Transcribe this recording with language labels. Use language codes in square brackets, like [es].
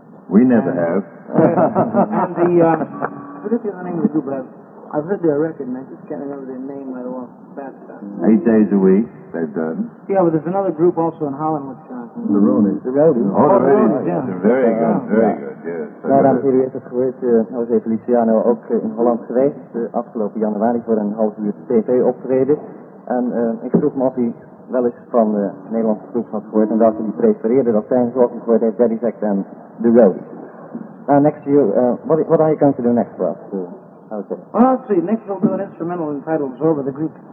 [en] We never have. And the, I forget the other name of the group, but I've heard their record, and I just can't remember their name right off bat. 8 days a week, they've done. Yeah, but there's another group also in Holland with The Ronies. The Ronies. Oh, the Ronies, yeah. They're very good, very good, yes. [nl] Nou, dames en heren, het is geweest, José Feliciano, ook in Holland geweest, afgelopen januari voor een half uur tv-optreden. En ik vroeg me of hij wel eens van de Nederlandse groep had gehoord en welke die prefereerde. Dat zijn zorgen voor de Daddy's Act en The Ronies. [en] Now, next to you, what are you going to do next, Ralph? Well, let's see. Next, we'll do an instrumental entitled Zorba the Greek.